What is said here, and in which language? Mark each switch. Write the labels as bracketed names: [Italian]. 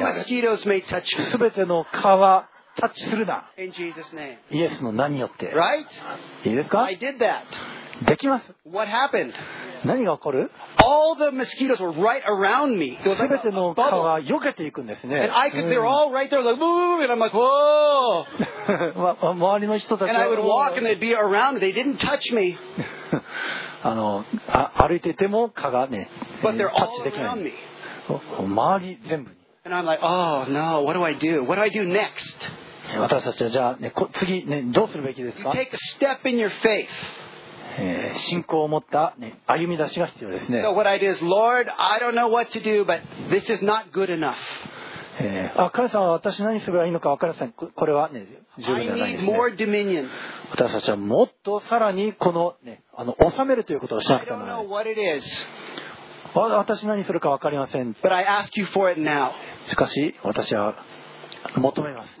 [English] No mosquitoes may touch me. [Japanese] 全ての蚊はタッチするな。 [English] In Jesus' name. [Japanese] イエスの名によって。 [English] Right? [Japanese] いいですか？ [English] I did that. [Japanese] できます。 [English] What happened? [Japanese] 何が起こる？ [English] All the mosquitoes were right around me. It was like a bubble. [Japanese] 全ての蚊は避けていくんですね。 [English] And I could, they're all right there, like, boom, and I'm like, whoa. [Japanese] 周りの人たちは、 [English] and I would walk and they'd be around me. They didn't touch me. [Japanese] 歩いていても蚊がね、 [English] But they're all around me. [Japanese] 周り全部に。 [English] And I'm like, oh no, what do I do? What do I do next? [Japanese] 私たちはじゃあ、ね、次、ね、どうするべきですか？ [English] You take a step in your faith. [Japanese] 信仰を持った、ね、歩み出しが必要ですね。 [English] So what I did is, Lord, I don't know what to do, but this is not good enough. [Japanese] 神様は私何すればいいのか分からない。これは、ね、十分じゃないですね。 [English] I need more dominion. [Japanese] 私たちはもっとさらにこの、ね、治めるということをしなくてもらえる。 [English] I don't know what it is. [Japanese] 私何するか分かりません。 [English] But I ask you for it now. [Japanese] しかし私は求めます。